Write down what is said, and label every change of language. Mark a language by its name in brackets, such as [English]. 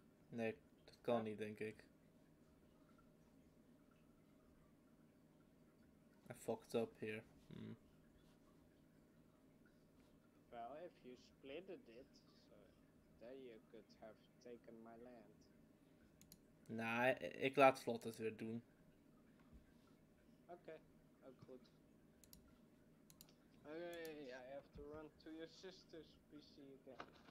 [Dutch] Nee, dat kan niet, denk ik. [English] I fucked up here. Well, if you splitted it, so then you could have taken my land. [Dutch] Nah, ik laat Slot het weer doen. Oké, ook goed. [English] Oké, I have to run to your sister's PC again.